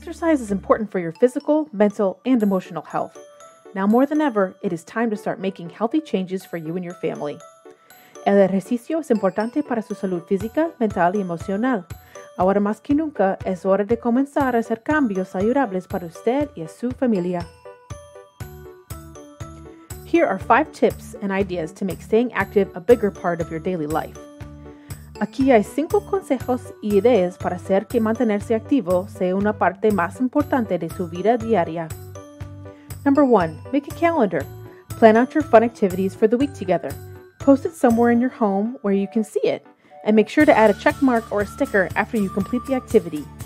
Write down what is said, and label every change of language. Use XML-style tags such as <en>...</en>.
<en>is important for your physical, mental, and emotional health. Now more than ever, it is time to start making healthy changes for you and your family.</en> <es>El ejercicio es importante para su salud física, mental y emocional. Ahora más que nunca, es hora de comenzar a hacer cambios saludables para usted y su familia.</es> <en>Here are 5 tips and ideas to make staying active a bigger part of your daily life.</en> <es>Aquí hay 5 consejos y ideas para hacer que mantenerse activo sea una parte más importante de su vida diaria.</es> <en>Number 1. Make a calendar. Plan out your fun activities for the week together. Post it somewhere in your home where you can see it. And make sure to add a check mark or a sticker after you complete the activity.</en>